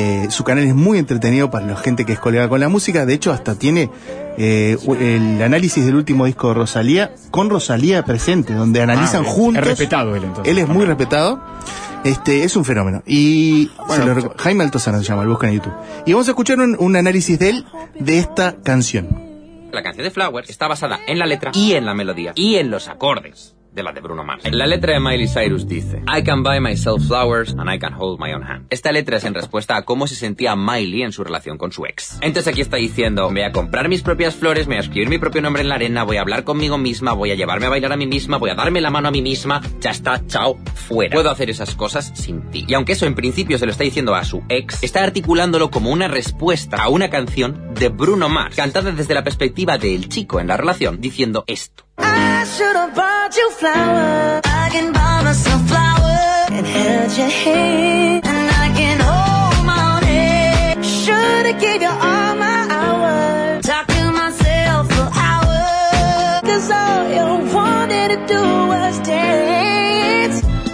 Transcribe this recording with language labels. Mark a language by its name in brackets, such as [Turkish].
[Spanish] Su canal es muy entretenido para la gente que es colega con la música. De hecho, hasta tiene el análisis del último disco de Rosalía, con Rosalía presente, donde analizan juntos. Es respetado él, entonces. Él es muy respetado. Es un fenómeno. Y bueno, Jaime Altozano se llama, lo buscan en YouTube. Y vamos a escuchar un análisis de él de esta canción. La canción de Flowers está basada en la letra y en la melodía y en los acordes de la de Bruno Mars. La letra de Miley Cyrus dice: [English] I can buy myself flowers and I can hold my own hand. [Spanish] Esta letra es en respuesta a cómo se sentía Miley en su relación con su ex. Entonces aquí está diciendo: voy a comprar mis propias flores, voy a escribir mi propio nombre en la arena, voy a hablar conmigo misma, voy a llevarme a bailar a mí misma, voy a darme la mano a mí misma, ya está, chao, fuera. Puedo hacer esas cosas sin ti. Y aunque eso en principio se lo está diciendo a su ex, está articulándolo como una respuesta a una canción de Bruno Mars, cantada desde la perspectiva del chico en la relación, diciendo esto. [English] I should have bought you flowers. I can buy myself flowers and held your hand, and I can hold my own head. Should have gave you all my hours, talked to myself for hours, 'cause all you wanted to do was dance.